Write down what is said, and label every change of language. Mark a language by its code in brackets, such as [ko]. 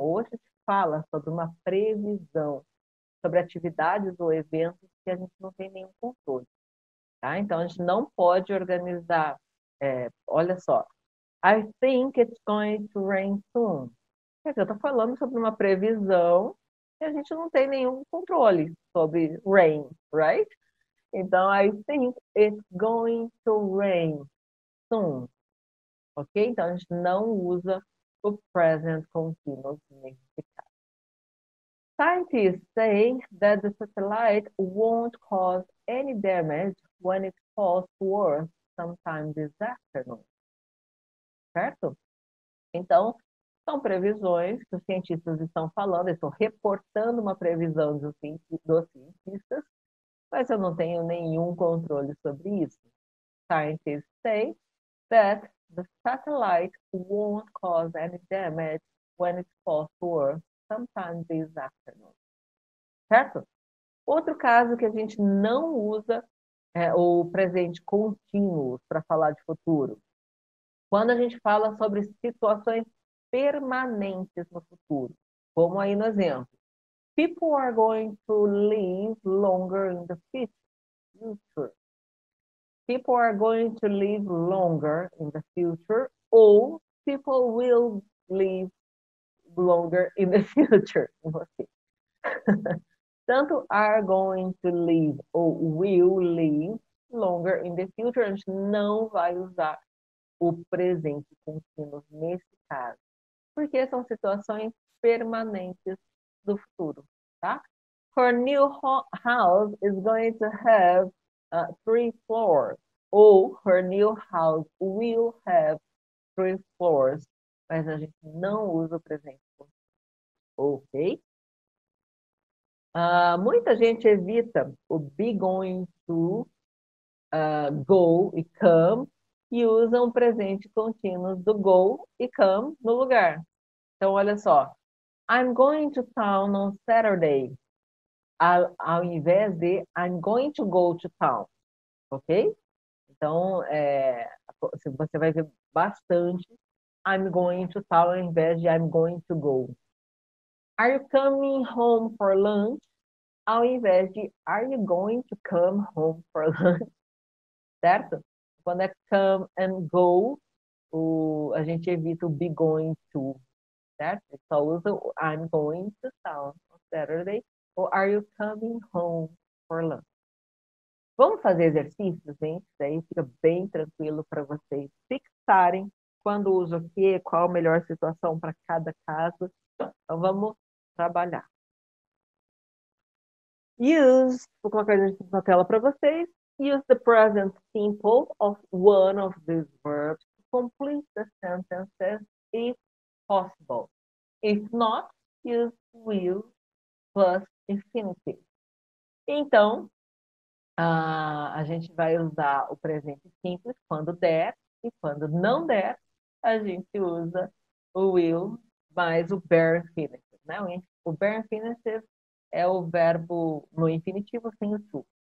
[pt] Hoje a gente fala sobre uma previsão, sobre atividades ou eventos que a gente não tem nenhum controle. Tá? Então a gente não pode organizar. Olha só. [en] I think it's going to rain soon. [pt] Quer dizer, eu estou falando sobre uma previsão. E a gente não tem nenhum controle sobre rain, [en] right? Então, I think it's going to rain soon. Ok? [pt] Então, a gente não usa o present continuous nesse caso. [en] Scientists say that the satellite won't cause any damage when it falls towards sometime this afternoon. [pt] Certo? Então, são previsões que os cientistas estão falando, estou reportando uma previsão dos cientistas, mas eu não tenho nenhum controle sobre isso. [en] Scientists say that the satellite won't cause any damage when it falls towards sometime this afternoon. [pt] Certo? Outro caso que a gente não usa é o presente contínuo para falar de futuro. Quando a gente fala sobre situações permanentes no futuro. Como aí no exemplo. [en] People are going to live longer in the future. People are going to live longer in the future. Ou people will live longer in the future. [pt] Tanto [en] are going to live [pt] ou [en] will live longer in the future, [pt] a gente não vai usar o presente contínuo nesse caso. Porque são situações permanentes do futuro, tá? [en] Her new house is going to have 3 floors. Ou her new house will have 3 floors. [pt] Mas a gente não usa o presente. Ok? Muita gente evita o be going to, go e come e usa um presente contínuo do go e come no lugar. Então, olha só. [en] I'm going to town on Saturday. [pt] Ao invés de [en] I'm going to go to town. [pt] Ok? Então, você vai ver bastante [en] I'm going to town [pt] ao invés de [en] I'm going to go. Are you coming home for lunch? [pt] Ao invés de [en] Are you going to come home for lunch? Certo? [pt] Quando é come and go, a gente evita o be going to. Certo? Só usa o [en] I'm going to town on Saturday ou are you coming home for lunch? [pt] Vamos fazer exercícios, gente? Daí fica bem tranquilo para vocês fixarem quando usa o quê, qual a melhor situação para cada caso. Então vamos trabalhar. Use, vou colocar na tela para vocês. [en] Use the present simple of one of these verbs to complete the sentences if possible. If not, use will plus infinitive. [pt] Então, a gente vai usar o presente simples quando der, e quando não der, a gente usa o will mais o bare infinitive, né? O bare infinitive é o verbo no infinitivo sem o to.